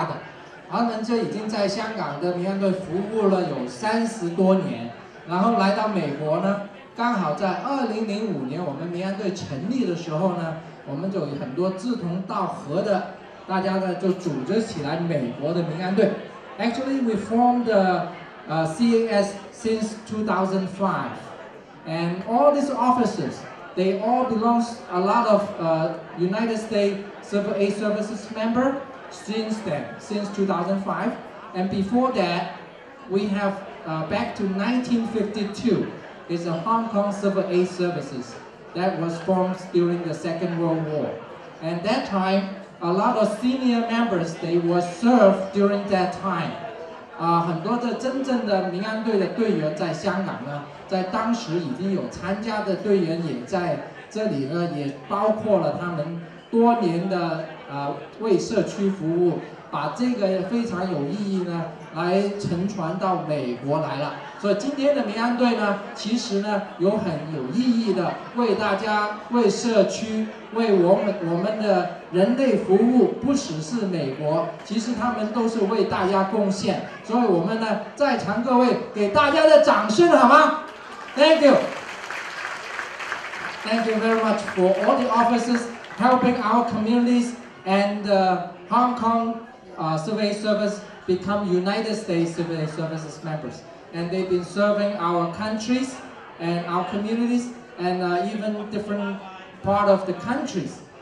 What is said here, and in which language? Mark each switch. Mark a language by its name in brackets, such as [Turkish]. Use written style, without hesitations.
[Chinese] 整齐的一点啊，大家都站起来，整齐的，像刚才这样子。站起来以后，我们准备加那些今天要加奖的那些大家哈。那么我们桌上有一些哈，在大家的台上大家看到了，我们民安队呢，其实最老的民安队呢，是真正从香港民安队来参加的，他们就已经在香港的民安队服务了有30多年，然后来到美国呢。刚好在2005年我们民安队成立的时候呢，我们就有很多志同道合的大家呢就组织起来美国的民安队。 [English] Actually we formed the CAS since 2005 and all these officers they all belong a lot of United States Civil Aid Services member since then, since 2005 and before that we have back to 1952 is a Hong Kong Civil Aid Services that was formed during the Second World War. And that time, a lot of senior members, they were served during that time. [Chinese] 很多的真正的民安队的队员在香港呢，在当时已经有参加的队员也在这里呢，也包括了他们多年的为社区服务，把这个非常有意义呢来乘船到美国来了。所以今天的民安队呢，其实呢有很有意义的为大家、为社区、为我们的人类服务，不只是美国，其实他们都是为大家贡献。所以我们呢，在场各位给大家的掌声好吗 [English] ？Thank you, thank you very much for all the officers helping our communities and Hong Kong Civil Service. Become United States Civil Services members, and they've been serving our countries and our communities and even different part of the countries.